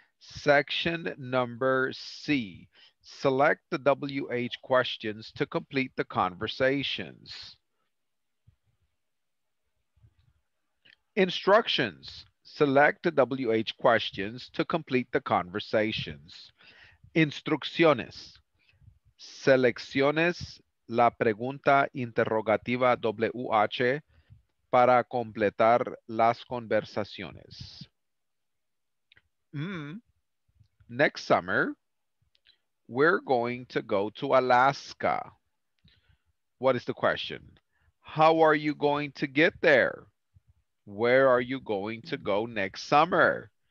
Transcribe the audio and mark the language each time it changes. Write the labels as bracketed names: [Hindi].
[English] Section number C. Select the WH questions to complete the conversations. Instructions. Select the WH questions to complete the conversations. [Spanish] Instrucciones. Selecciones la pregunta interrogativa WH para completar las conversaciones. [English] Next summer, we're going to go to Alaska. What is the question? How are you going to get there? Where are you going to go next summer?